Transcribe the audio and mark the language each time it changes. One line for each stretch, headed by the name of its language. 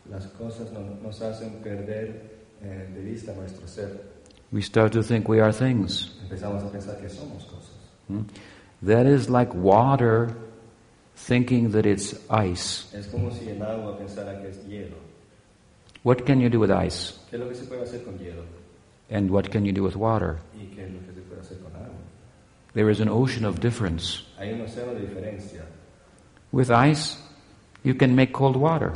Spanish: Las cosas nos hacen perder de vista nuestro ser.
English: We start to think we are things.
Spanish: Empezamos a pensar que somos cosas.
English: That is like water thinking that it's ice.
Spanish: Es como si el agua pensara que es hielo.
English: What can you do with ice?
Spanish: ¿Qué es lo que se puede hacer con hielo?
English: And what can you do with water?
Spanish: ¿Y qué es lo que se puede hacer con agua?
English: There is an ocean of difference.
Spanish: Hay un océano de diferencia.
English: With ice, you can make cold water.